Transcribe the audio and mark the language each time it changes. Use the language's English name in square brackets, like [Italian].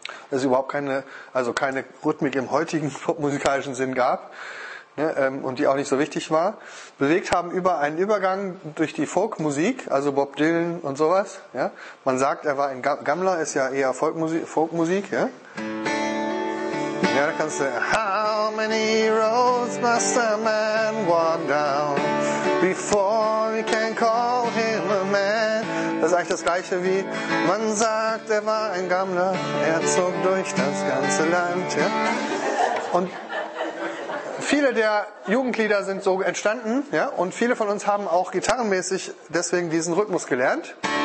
[German] Es überhaupt keine Rhythmik im heutigen popmusikalischen Sinn gab und die auch nicht so wichtig war, bewegt haben über einen Übergang durch die Folkmusik, also Bob Dylan und sowas. Man sagt, er war ein Gammler, ist ja eher Folkmusik. Da kannst du [English] How many roads must a man walk down before we can call him a man. [German] Das ist eigentlich das Gleiche wie, man sagt, er war ein Gammler, er zog durch das ganze Land. Und viele der Jugendlieder sind so entstanden, und viele von uns haben auch gitarrenmäßig deswegen diesen Rhythmus gelernt.